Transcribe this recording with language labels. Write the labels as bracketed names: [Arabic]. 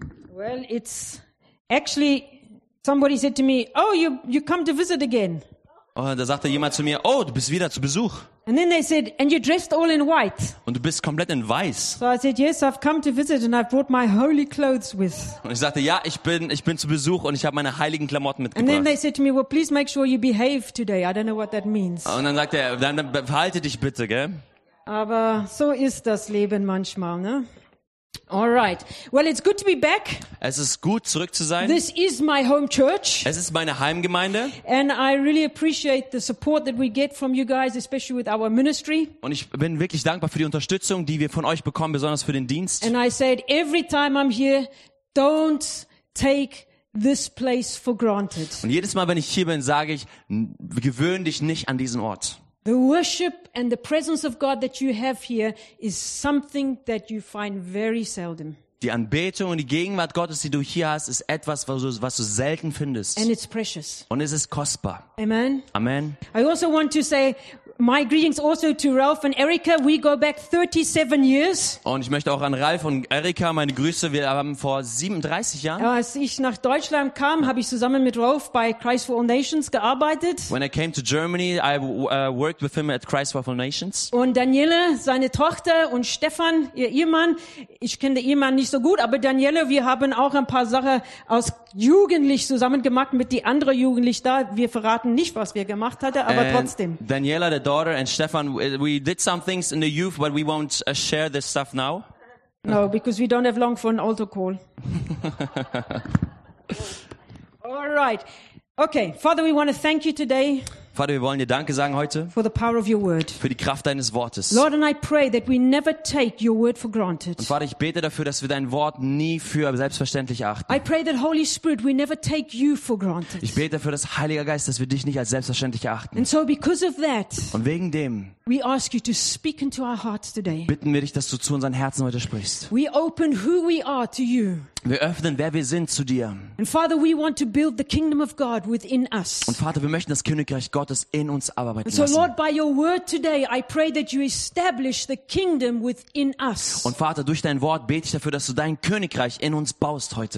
[English] Well, it's actually somebody said to me, "Oh, you come to visit again." [German] Und da sagte jemand zu mir, "Oh, du bist wieder zu Besuch." [English] And then they said, "And you're dressed all in white." [German] Und du bist komplett in weiß. [English] So I said, "Yes, I've come to visit and I've brought my holy clothes with." [German] Und ich sagte, "Ja, ich bin zu Besuch und ich habe meine heiligen Klamotten mitgebracht." [English] And then they said to me, "Well, please make sure you behave today. I don't know what that means." [German] Und dann sagte er, "Dann verhalte dich bitte, gell?" Aber so ist das Leben manchmal, ne? [English] All right. Well, it's good to be back. [German] Es ist gut, zurück zu sein. [English] This is my home church. [German] Es ist meine Heimgemeinde. [English] And I really appreciate the support that we get from you guys, especially with our ministry. [German] Und ich bin wirklich dankbar für die Unterstützung, die wir von euch bekommen, besonders für den Dienst. [English] And I said every time I'm here, don't take this place for granted. [German] Und jedes Mal, wenn ich hier bin, sage ich, gewöhn dich nicht an diesen Ort. [English] The worship and the presence of God that you have here is something that you find very seldom. [German] Die Anbetung und die Gegenwart Gottes, die du hier hast, ist etwas, was du selten findest. [English] And it's precious. [German] Und es ist kostbar. [English] Amen. [German] Amen. [English] I also want to say my greetings also to Ralph and Erika. We go back 37 years. [German] Und ich möchte auch an Ralph und Erika meine Grüße. Wir haben vor 37 Jahren. Als ich nach Deutschland kam, habe ich zusammen mit Ralph bei Christ for All Nations gearbeitet. [English] When I came to Germany, I worked with him at Christ for All Nations. [German] Und Daniele, seine Tochter, und Stefan, ihr Ehemann. Ich kenne den Ehemann nicht so gut, aber Daniele, wir haben auch ein paar Sachen aus Jugendlich zusammen gemacht mit die andere Jugendlich da. Wir verraten nicht, was wir gemacht hatten, aber [English] and [German] trotzdem. [English] Daniela, the daughter, and Stefan, we did some things in the youth, but we won't share this stuff now. No, because we don't have long for an altar call. All right. Okay, Father, we want to thank you today. [German] Vater, wir wollen dir Danke sagen heute. [English] For the power of your word. [German] Für die Kraft deines Wortes. [English] Lord, and I pray that we never take your word for granted. [German] Und Vater, ich bete dafür, dass wir dein Wort nie für selbstverständlich achten. [English] I pray that Holy Spirit, we never take you for granted. [German] Ich bete dafür, dass Heiliger Geist, dass wir dich nicht als selbstverständlich achten. [English] And so because of that. [German] Und wegen dem. [English] We ask you to speak into our hearts today. [German] Bitten wir dich, dass du zu unseren Herzen heute sprichst. [English] We open who we are to you. [German] Wir öffnen, wer wir sind, zu dir. [English] And Father, we want to build the kingdom of God within us. [German] Und Vater, wir möchten das Königreich Gottes in uns arbeiten lassen. [English] So Lord, by your word today, I pray that you establish the kingdom within us. [German] Und Vater, durch dein Wort bete ich dafür, dass du dein Königreich in uns baust heute.